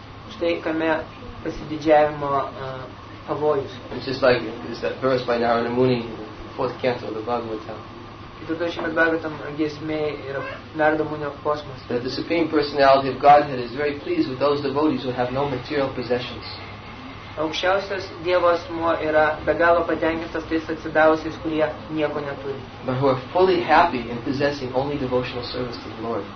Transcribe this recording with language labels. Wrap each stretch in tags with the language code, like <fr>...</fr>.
<lt>Štai kame pasididžiavimo pavojus.</lt> <en>It's just like it's that verse by Narada Muni in the fourth canto of the Bhagavatam. That the Supreme Personality of Godhead is very pleased with those devotees who have no material possessions.</en> <lt>Aukščiausias Dievo asmuo yra be galo patenkintas tais atsidavusiais, kurie nieko neturi.</lt> <en>But who are fully happy in possessing only devotional service to the Lord.</en>